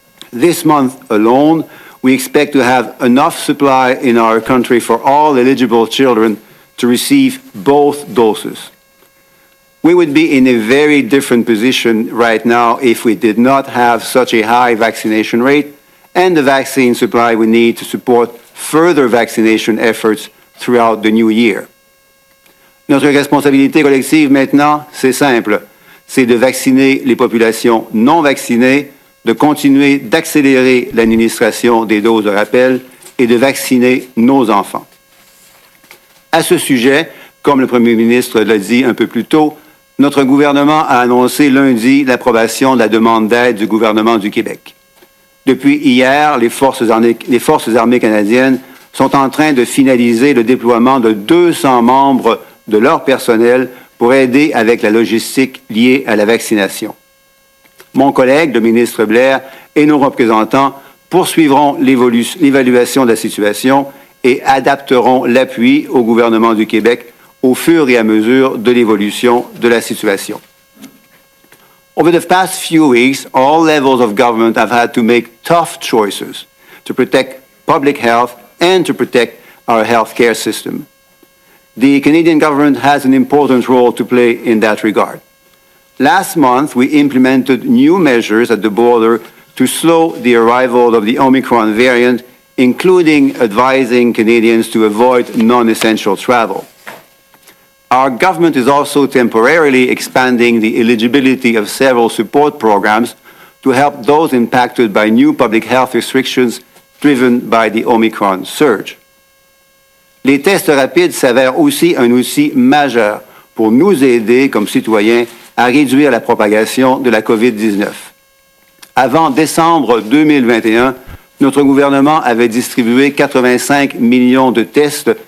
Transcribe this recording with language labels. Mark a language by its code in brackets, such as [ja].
[en] This month alone, we expect to have enough supply in our country for all eligible children to receive both doses. We would be in a very different position right now if we did not have such a high vaccination rate and the vaccine supply we need to support further vaccination efforts throughout the new year. [fr] Notre responsabilité collective maintenant, c'est simple. C'est de vacciner les populations non vaccinées, de continuer d'accélérer l'administration des doses de rappel et de vacciner nos enfants. À ce sujet, comme le Premier ministre l'a dit un peu plus tôt, notre gouvernement a annoncé lundi l'approbation de la demande d'aide du gouvernement du Québec. Depuis hier, les forces armées canadiennes sont en train de finaliser le déploiement de 200 membres de leur personnel pour aider avec la logistique liée à la vaccination. Mon collègue, le ministre Blair, et nos représentants poursuivront l'évaluation de la situation et adapteront l'appui au gouvernement du Québec au fur et à mesure de l'évolution de la situation. [en] Over the past few weeks, all levels of government have had to make tough choices to protect public health and to protect our healthcare system. The Canadian government has an important role to play in that regard. Last month, we implemented new measures at the border to slow the arrival of the Omicron variant, including advising Canadians to avoid non-essential travel. Our government is also temporarily expanding the eligibility of several support programs to help those impacted by new public health restrictions driven by the Omicron surge. [fr] Les tests rapides s'avèrent aussi un outil majeur pour nous aider comme citoyens à réduire la propagation de la COVID-19. Avant décembre 2021, notre gouvernement avait distribué 85 millions de tests